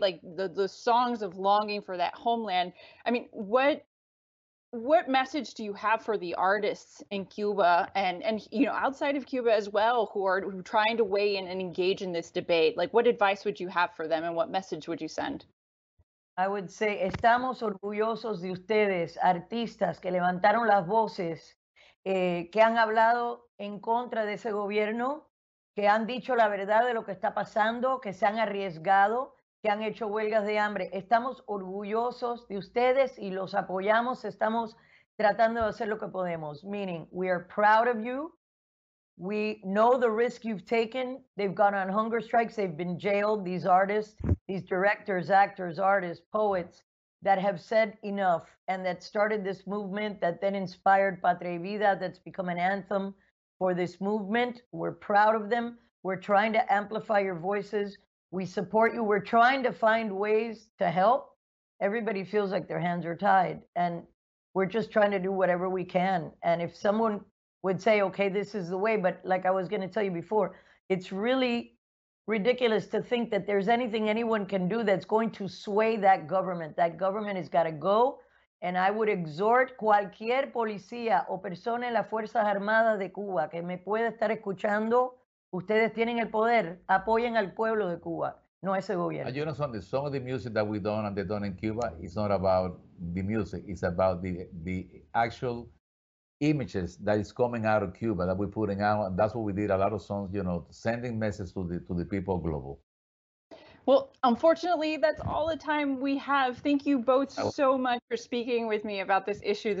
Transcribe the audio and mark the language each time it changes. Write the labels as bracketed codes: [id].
[en] Like the songs of longing for that homeland. I mean, what message do you have for the artists in Cuba and you know, outside of Cuba as well, who are trying to weigh in and engage in this debate? Like, what advice would you have for them, and what message would you send? I would say, [es] estamos orgullosos de ustedes, artistas que levantaron las voces, que han hablado en contra de ese gobierno, que han dicho la verdad de lo que está pasando, que se han arriesgado, que han hecho huelgas de hambre. Estamos orgullosos de ustedes y los apoyamos, estamos tratando de hacer lo que podemos. [en] Meaning, we are proud of you. We know the risk you've taken. They've gone on hunger strikes. They've been jailed, these artists, these directors, actors, artists, poets that have said enough and that started this movement that then inspired Patria y Vida, that's become an anthem for this movement. We're proud of them. We're trying to amplify your voices. We support you. We're trying to find ways to help. Everybody feels like their hands are tied, and we're just trying to do whatever we can. And if someone would say, okay, this is the way. But like I was going to tell you before, it's really ridiculous to think that there's anything anyone can do that's going to sway that government. That government has got to go. And I would exhort [es] cualquier policía o persona en las Fuerzas Armadas de Cuba que me pueda estar escuchando, ustedes tienen el poder, apoyen al pueblo de Cuba, no ese gobierno. [en] You know something, some of the music that we've done and they've done in Cuba is not about the music, it's about the actual images that is coming out of Cuba that we're putting out. And that's what we did, a lot of songs, you know, sending messages to the people global. Well, unfortunately, that's all the time we have. Thank you both so much for speaking with me about this issue.